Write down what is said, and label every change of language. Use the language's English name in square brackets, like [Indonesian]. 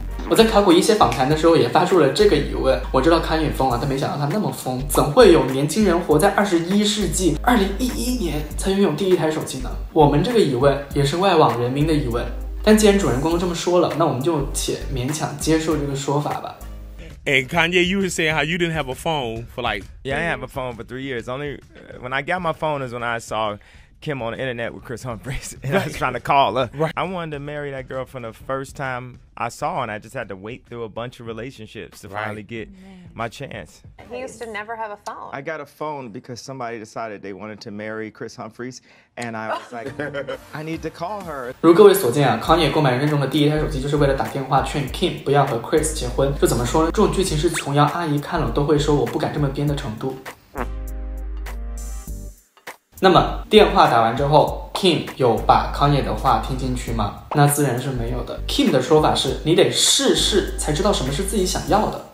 [Chinese] 我在考古一些访谈的时候也发出了这个疑问。我知道 Kanye 疯了，但没想到他那么疯，怎会有年轻人活在21世纪2011年才拥有第一台手机呢？我们这个疑问也是外网人民的疑问，但既然主人公都这么说了，那我们就且勉强接受这个说法吧。 [English] And Kanye, you were saying how you didn't have a phone for like... Yeah, I have a phone for 3 years. Only when I got my phone is when I sawKim on the internet with Chris Humphries, and I was trying to call her. Right. I wanted to marry that girl from the first time I saw her, and I just had to wait through a bunch of relationships to finally get my chance. He used to never have a phone. I got a phone because somebody decided they wanted to marry Chris Humphries, and I was like, I need to call her. [Chinese] 如各位所见Kanye 购买人生中的第一台手机就是为了打电话劝 Kim 不要和 Chris 结婚。就怎么说呢？这种剧情是琼瑶阿姨看了都会说我不敢这么编的程度。那么电话打完之后， Kim 有把 Kanye 的话听进去吗？那自然是没有的。Kim 的说法是，你得试试才知道什么是自己想要的。